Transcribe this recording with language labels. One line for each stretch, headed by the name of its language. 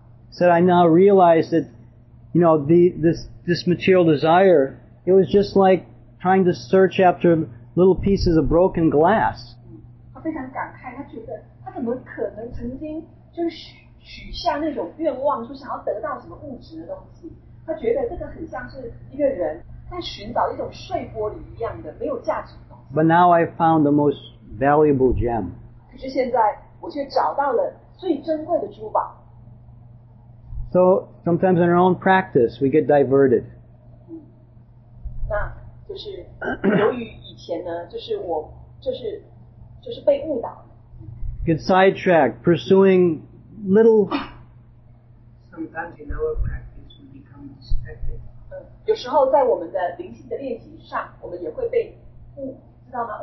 English: Said, I now realize that, you know, this material desire. It was just like trying to search after little pieces of broken glass.
Chinese: 他非常感慨，他觉得他怎么可能曾经就许下那种愿望，说想要得到什么物质的东西。他觉得这个很像是一个人在寻找一种碎玻璃一样的没有价值的东西。
English: But now I found the most valuable gem.
Chinese: 可是现在我却找到了最珍贵的珠宝。
English: So sometimes in our own practice, we get diverted.
Chinese: 那就是由于以前呢，就是我就是被误导。
English: Get sidetracked, pursuing little. Sometimes in our practice, we become distracted.
Chinese: 有时候在我们的灵性的练习上，我们也会被误，知道吗？